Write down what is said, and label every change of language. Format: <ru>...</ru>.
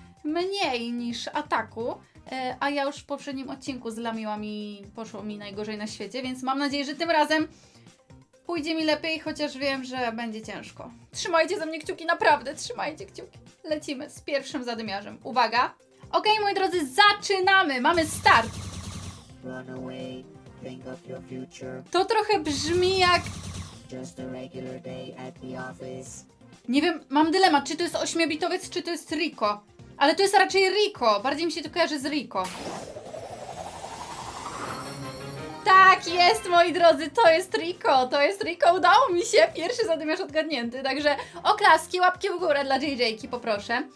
<pl>mniej niż ataku, a ja już w poprzednim odcinku zlamiłam i poszło mi najgorzej na świecie, więc mam nadzieję, że tym razem pójdzie mi lepiej, chociaż wiem, że będzie ciężko. Trzymajcie za mnie kciuki, naprawdę trzymajcie kciuki. Lecimy z pierwszym zadymiarzem. Uwaga! Okej, moi drodzy, zaczynamy! Mamy start!</pl> <en>Run away, think of your future.</en> <pl>To trochę brzmi jak...</pl> <en>Just a regular day at the office.</en> <pl>Nie wiem, mam dylemat, czy to jest ośmiobitowiec, czy to jest Rico. Ale to jest raczej Rico, bardziej mi się to kojarzy z Rico. Tak jest, moi drodzy, to jest Rico, udało mi się, pierwszy zadymiarz odgadnięty, także oklaski, łapki w górę dla JJ-ki, poproszę.</pl>